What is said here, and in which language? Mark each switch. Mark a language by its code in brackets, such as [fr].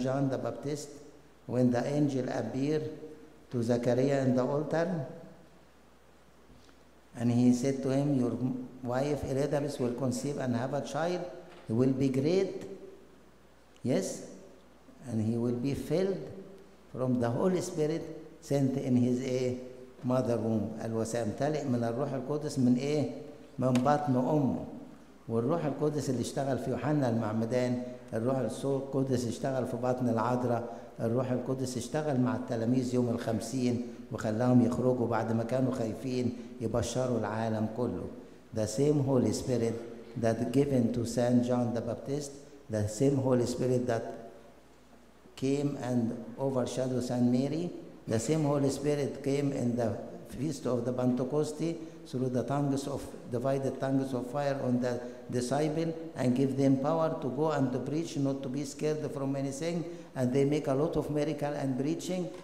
[en] John the Baptist, when the angel appeared to Zechariah in the altar, and he said to him, your wife Elizabeth will conceive and have a child. He will be great. Yes. And he will be filled from the Holy Spirit sent in his mother womb. [ar] الوسامتلئ من الروح القدس من من بطن أمه. والروح القدس اللي اشتغل في يوحنا المعمدان, الروح القدس اشتغل في بطن العذراء, الروح القدس اشتغل مع التلاميذ يوم 50 وخلاهم يخرجوا بعد ما كانوا خايفين يبشروا العالم كله. [en] The same Holy Spirit that given to Saint John the Baptist, the same Holy Spirit that came and overshadowed Saint Mary, the same Holy Spirit came in the feast of the Pentecost through the tongues of divided tongues of fire on the disciple and give them power to go and to preach, not to be scared from anything, and they make a lot of miracle and preaching.